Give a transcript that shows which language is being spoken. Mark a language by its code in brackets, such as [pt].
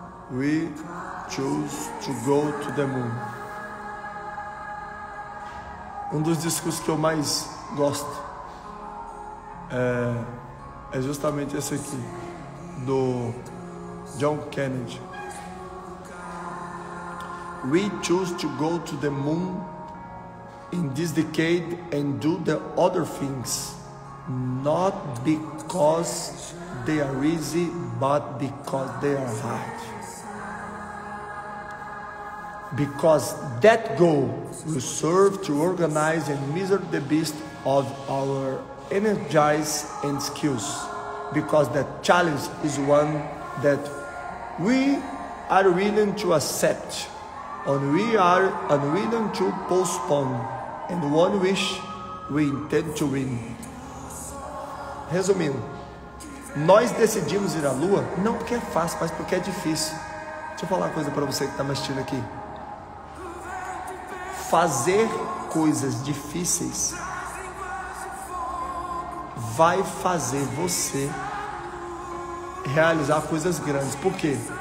[en] We choose to go to the moon. [pt] Um dos discursos que eu mais gosto é justamente esse aqui, do John Kennedy. [en] We choose to go to the moon in this decade and do the other things, not because they are easy, but because they are hard. Because that goal will serve to organize and measure the beast of our energies and skills. Because that challenge is one that we are willing to accept, and we are unwilling to postpone, and one wish Win, tend to win. [pt] Resumindo, nós decidimos ir à Lua não porque é fácil, mas porque é difícil. Deixa eu falar uma coisa para você que está me assistindo aqui. Fazer coisas difíceis vai fazer você realizar coisas grandes. Por quê?